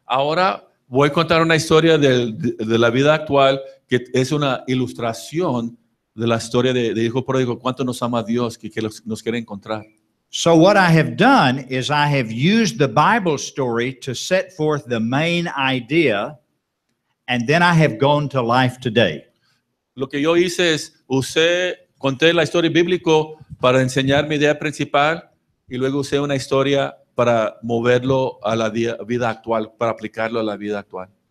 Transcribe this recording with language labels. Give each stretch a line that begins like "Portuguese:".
Spanish: Ahora voy a contar una historia de la vida actual que es una ilustración de la historia de hijo pródigo, cuánto nos ama Dios, que nos quiere encontrar.
English: So what I have done is I have used the Bible story to set forth the main idea, and then I have gone to life today.
Spanish: Lo que yo hice es, usé, conté la historia bíblica para enseñar mi idea principal, y luego usé una historia para moverlo a la vida actual, para aplicarlo a la vida actual.